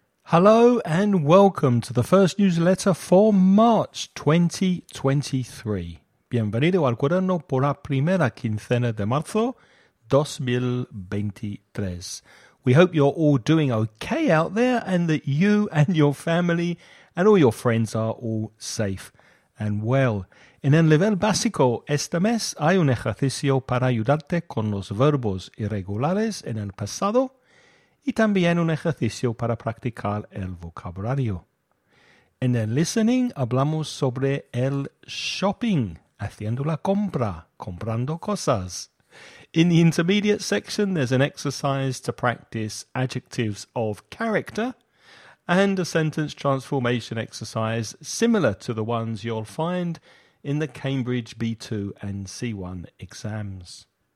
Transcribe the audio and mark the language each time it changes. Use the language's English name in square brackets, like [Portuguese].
[English] Hello and welcome to the first newsletter for March 2023. [Spanish] Bienvenido al cuaderno por la primera quincena de marzo 2023. [English] We hope you're all doing okay out there and that you and your family and all your friends are all safe and well. [Spanish] En el nivel básico, este mes hay un ejercicio para ayudarte con los verbos irregulares en el pasado y también un ejercicio para practicar el vocabulario. En el listening hablamos sobre el shopping, haciendo la compra, comprando cosas. [English] In the intermediate section, there's an exercise to practice adjectives of character and a sentence transformation exercise similar to the ones you'll find in the Cambridge B2 and C1 exams.